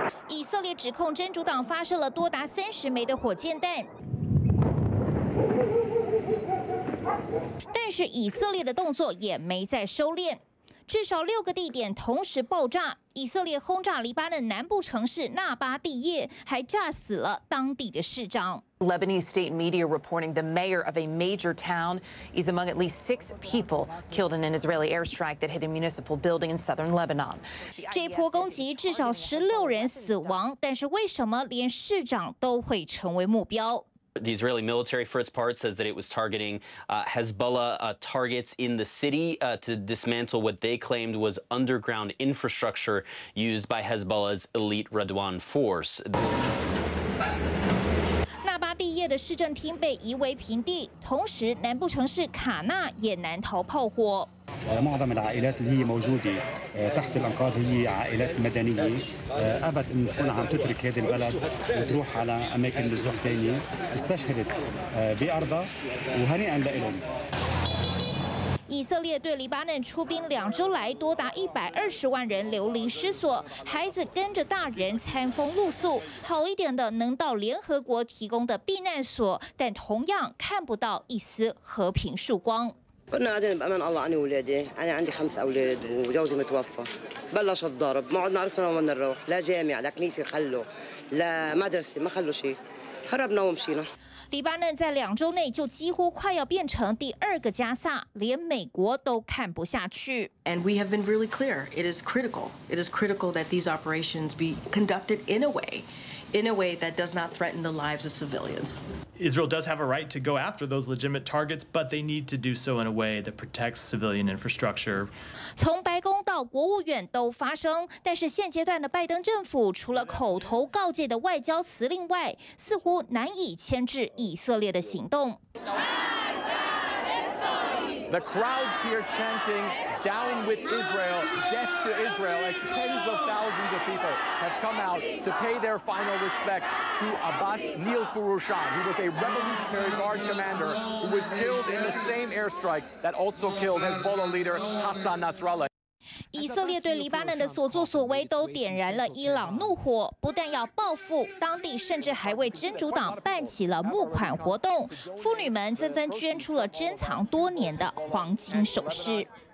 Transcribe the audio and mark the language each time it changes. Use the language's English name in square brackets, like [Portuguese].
[Chinese] 以色列指控真主党发射了多达30枚的火箭弹。但是以色列的动作也没在收敛，至少6个地点同时爆炸。以色列轰炸黎巴嫩南部城市纳巴蒂耶，还炸死了当地的市长。 [English] Lebanese state media reporting the mayor of a major town is among at least 6 people killed in an Israeli airstrike that hit a municipal building in southern Lebanon. [Chinese] 这波攻击至少16人死亡，但是为什么连市长都会成为目标？ [English] The Israeli military, for its part, says that it was targeting Hezbollah targets in the city to dismantle what they claimed was underground infrastructure used by Hezbollah's elite Radwan force. [Chinese] 纳巴蒂耶的市政厅被夷为平地，同时南部城市卡纳也难逃炮火。 [Arabic] معظم العائلات اللي هي موجودة تحت الأنقاض هي عائلات مدنية أبد أن تكون عم تترك هذه البلد وتروح على أماكن نزوح تانية استشهدت بأرضها وهنيئا لهم [Chinese] 以色列对黎巴嫩出兵2周来，多达120万人流离失所，孩子跟着大人餐风露宿，好一点的能到联合国提供的避难所，但同样看不到一丝和平曙光。 [Arabic] كنا قاعدين بأمان الله أنا وولادي أنا عندي 5 أولاد وجوزي متوفى بلش الضرب ما عدنا عرفنا وين نروح لا جامعة لا كنيسة خلوا لا مدرسة ما خلوا شيء هربنا ومشينا [Chinese] 黎巴嫩在2周内就几乎快要变成第二个加萨，连美国都看不下去。 [English] And we have been really clear. It is critical. It is critical that these operations be conducted in a way. In a way that does not threaten the lives of civilians. Israel does have a right to go after those legitimate targets, but they need to do so in a way that protects civilian infrastructure. [Chinese] 从白宫到国务院都发生，但是现阶段的拜登政府除了口头告诫的外交辞令外，似乎难以牵制以色列的行动。 [English] The crowds here chanting, "Down with Israel! Death to Israel!" As tens of thousands of people have come out to pay their final respects to Abbas Nilfourouchane, who was a Revolutionary Guard commander who was killed in the same airstrike that also killed Hezbollah leader Hassan Nasrallah. [Chinese] 以色列对黎巴嫩的所作所为都点燃了伊朗怒火，不但要报复，当地甚至还为真主党办起了募款活动，妇女们纷纷捐出了珍藏多年的黄金首饰。